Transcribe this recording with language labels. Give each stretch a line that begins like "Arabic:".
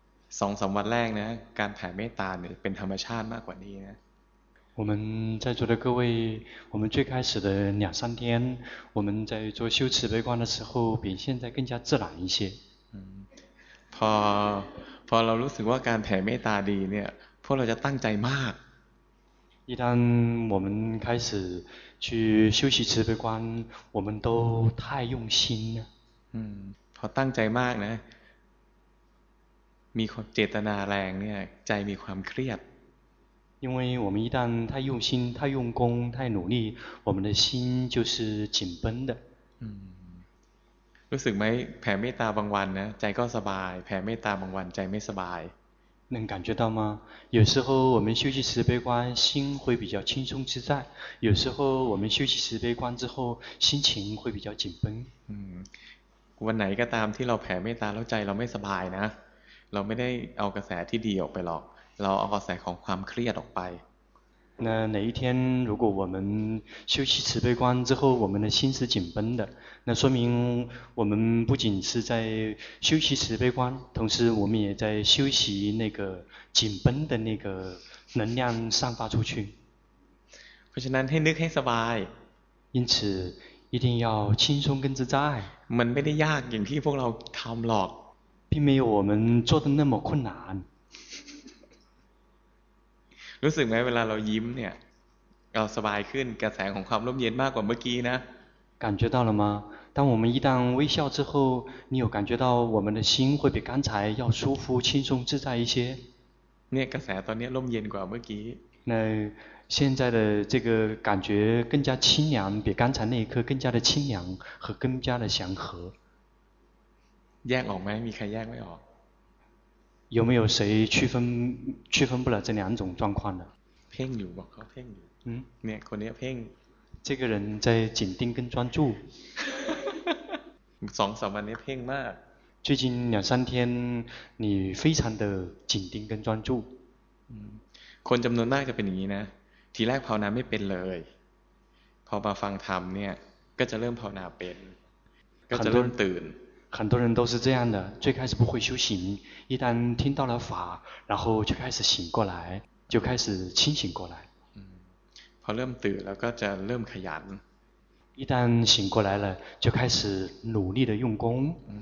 Thai: 2 3 วันแรกนะการแผ่เมตตาเนี่ยเป็นธรรมชาติมากกว่านี้นะ
Chinese: 我们在座的各位我们最开始的两三天我们在做修持悲观的时候比现在更加自然一些
Thai: พอเรารู้สึกว่าการแผ่เมตตาดีเนี่ยพวกเราจะตั้งใจมาก
Chinese: 一旦我们开始去修习慈悲观我们都太用心了
Thai: พอตั้งใจมากนะมีเจตนาแรงเนี่ยใจมีความเครียด
Chinese: 因为我们一旦太用心太用功太努力我们的心就是紧绷的
Thai: รู้สึกไหมแผ่เมตตาบางวันนะใจก็สบายแผ่เมตตาบางวันใจไม่สบาย
Chinese: 能感觉到吗有时候我们修习慈悲观心会比较轻松自在有时候我们修习慈悲观之后心情会比较紧绷
Thai: วันไหนก็ตามที่เราแผ่เมตตาแล้วใจเราไม่สบายนะเราไม่ได้เอากระแสที่ดีออกไปหรอกเราเอากระแสของความเครียดออกไป
Chinese: 那哪一天如果我们修习慈悲观之后我们的心是紧绷的那说明我们不仅是在修习慈悲观同时我们也在修习那个紧绷的那个能量散发出去
Thai: เพราะฉะนั้นให้นึกให้สบาย
Chinese: 因此一定要轻松跟自在
Thai: มันไม่ได้ยากอย่างที่พวกเราทำหรอก
Chinese: 并没有我们做的那么困难
Thai: รู้สึกไหมเวลาเรายิ้มเนี่ยเราสบายขึ้นกระแสของความร่มเย็นมากกว่าเมื่อกี้นะ
Chinese: 感觉到了吗当我们一旦微笑之后你有感觉到我们的心会比刚才要舒服轻松自在一些
Thai: เนี่ยกระแสตอนนี้ร่มเย็นกว่าเมื่อกี้
Chinese: 那现在的这个感觉更加清凉比刚才那一刻更加的清凉和更加的祥和
Thai: แยกออกไหมมีใครแยกไม่ออก
Chinese: 有没有谁区分不了这两种状况的？
Thai: เพ่งอยู่บอกเขาเพ่งอยู่ เนี่ยคนนี้เพ่ง
Chinese: 这个人在紧盯跟专注
Thai: สองสามวันนี้เพ่งมาก
Chinese: 最近两三天你非常的紧盯跟专注
Thai: คนจำนวนมากจะเป็นอย่างนี้นะทีแรกภาวนาไม่เป็นเลยพอมาฟังธรรมเนี่ยก็จะเริ่มภาวนาเป็นก็จะเริ่มตื่น
Chinese: 很多人都是这样的最开始不会修行一旦听到了法然后就开始醒过来就开始清醒过来
Thai: พอเริ่มตื่นแล้วก็จะเริ่มขยัน
Chinese: 一旦醒过来了就开始努力的用功